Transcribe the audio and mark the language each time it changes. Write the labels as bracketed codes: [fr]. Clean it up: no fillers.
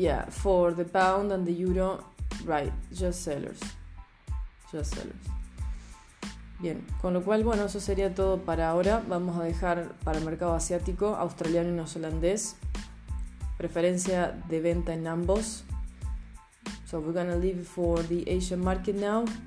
[en] For the pound and the euro, right, just sellers. [es] Bien, con lo cual, bueno, eso sería todo para ahora. Vamos a dejar para el mercado asiático, australiano y neozelandés. Preferencia de venta en ambos. [en] So we're gonna leave it for the Asian market now.